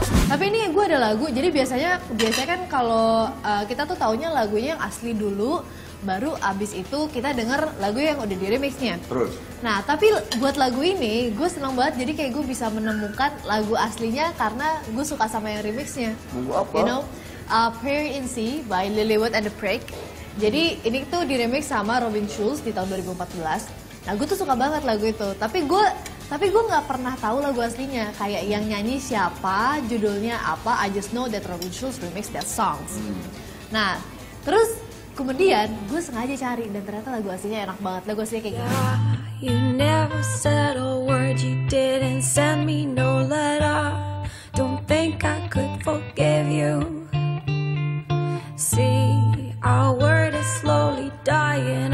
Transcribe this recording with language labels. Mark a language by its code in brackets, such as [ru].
[id] Tapi ini gue ada lagu, jadi biasanya kan kalau kita tuh taunya lagunya yang asli dulu, baru abis itu kita denger lagu yang udah di remixnya. Terus? Nah, tapi buat lagu ini, gue seneng banget jadi kayak gue bisa menemukan lagu aslinya karena gue suka sama yang remixnya. Lagu apa? [en] You know, Prayer in Sea by Lily Wood and the Prick. [id] Jadi ini tuh di remix sama Robin Schulz di tahun 2014. Nah, gue tuh suka banget lagu itu, tapi gue nggak pernah tahu lagu aslinya, kayak yang nyanyi siapa, judulnya apa. [en] I just know that Robin Schulz remix that songs. [id] Nah, terus kemudian gue sengaja cari dan ternyata lagu aslinya enak banget. Lagu aslinya kayak gini. [en] You never said a word, you didn't send me no letter. Don't think I could forgive you. See, our word is slowly dying.